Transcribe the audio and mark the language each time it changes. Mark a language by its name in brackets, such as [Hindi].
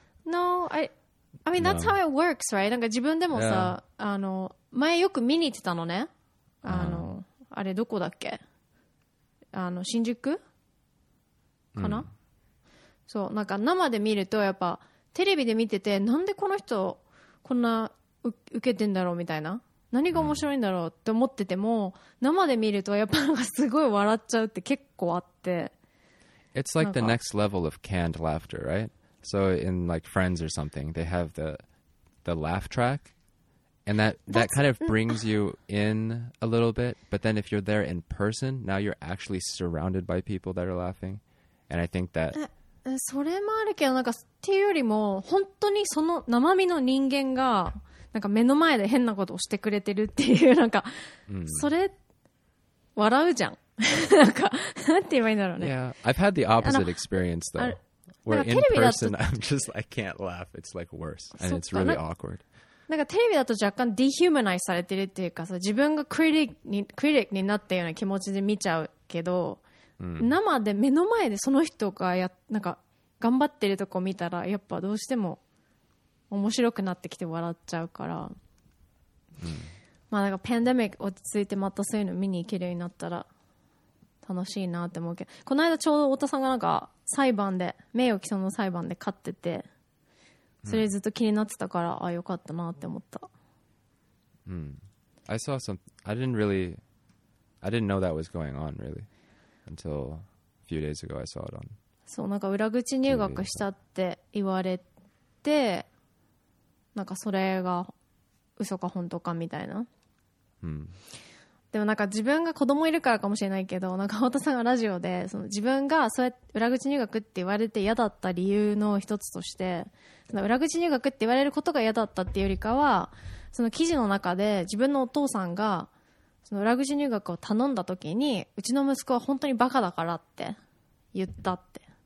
[English] No, I mean that's how it works, right? [Japanese] なんか自分でもさ、あの前よく見に行ってたのね、あの、あれどこだっけ、あの新宿かな、うん、そう、なんか生で見るとやっぱテレビで見てて、なんでこの人こんな受けてんだろうみたいな、何が面白いんだろうって思ってても、うん、生で見るとやっぱなんかすごい笑っちゃうって結構あって、 [English] It's like the next level of canned laughter, right? So in like Friends or something, they have the laugh trackAnd that kind of brings you in a little bit. But then if you're there in person, now you're actually surrounded by people that are laughing. And I think that... [Japanese] それもあるけど、なんかっていうよりも、本当にその生身の人間が、なんか目の前で変なことをしてくれてるっていう、なんか、それ、笑うじゃん。なんか、なんて言えばいいんだろうね。 [English] Yeah, I've had the opposite experience though. Where in person, I'm just like, I can't laugh. It's like worse. And it's really awkward. [Japanese] なんかテレビだと若干ディヒューマナイズされてるっていうかさ、自分がクリティックになったような気持ちで見ちゃうけど、うん、生で目の前でその人がなんか頑張ってるとこ見たら、やっぱどうしても面白くなってきて笑っちゃうから、うん、まあなんかパンデミック落ち着いてまたそういうの見に行けるようになったら楽しいなって思うけど、この間ちょうど太田さんがなんか裁判で名誉毀損の裁判で勝ってて、それずっと気になってたから、ああ、よかったなって思った。うん。 [English] I saw some... I didn't know that was going on, really. Until a few days ago, I saw it on... [Japanese] そう、なんか裏口入学したって言われて、なんかそれが嘘か本当かみたいな。うん。でもなんか自分が子供いるからかもしれないけど、なんか太田さんがラジオで、その自分がそうやって裏口入学って言われて嫌だった理由の一つとして、その裏口入学って言われることが嫌だったっていうよりかは、その記事の中で自分のお父さんが、その裏口入学を頼んだ時に、うちの息子は本当にバカだからって言ったって。